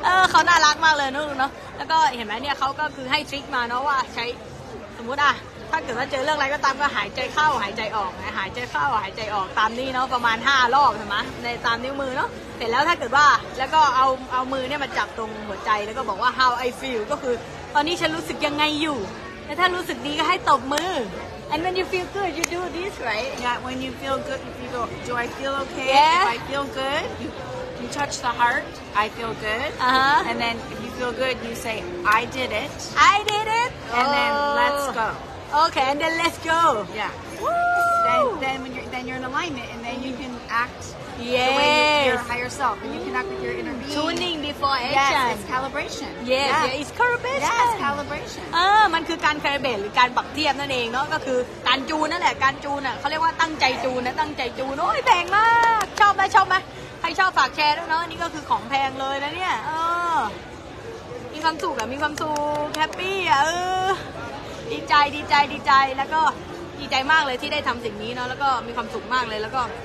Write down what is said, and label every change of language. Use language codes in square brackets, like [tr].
[th] เขาน่ารักมากเลยนุ๊กเนาะแล้วก็เห็นไหมเนี่ยเขาก็คือให้ทริคมาเนาะว่าใช้สมมติอะถ้าเกิดว่าเจอเรื่องอะไรก็ตามก็หายใจเข้าหายใจออกนะหายใจเข้าหายใจออกตามนี้เนาะประมาณ5รอบใช่มั้ยในตามนิ้วมือเนาะเสร็จแล้วถ้าเกิดว่าแล้วก็เอามือเนี่ยมาจับตรงหัวใจแล้วก็บอกว่า [en] how I feel [th] ก็คือตอนนี้ฉันรู้สึกยังไงอยู่แล้วถ้ารู้สึกดีก็ให้ตบมือ [en] and when you feel good you do this right yeah when you feel good you go do I feel okay yeah. if I feel good you touch the heart I feel good and then if you feel good you say I did it and then let's go okay and then let's go yeah Woo! then when you're then you're in alignment and then you can act the way your higher self and you can act with your inner being tuning before action yes it's calibration yes. it's calibration [th] มันคือการคาลิเบทหรือการปรับเทียบนั่นเองเนาะก็คือการจูนนั่นแหละการจูนอ่ะเขาเรียกว่าตั้งใจจูนนะตั้งใจจูนโอ้ยแพงมากชอบไหมชอบไหมใครชอบฝากแชร์ด้วยเนาะนี่ก็คือของแพงเลยนะเนี่ยมีความสุขอะมีความสุขแฮปปี้อะดีใจแล้วก็ดีใจมากเลยที่ได้ทำสิ่งนี้เนาะแล้วก็มีความสุขมากเลยแล้วก็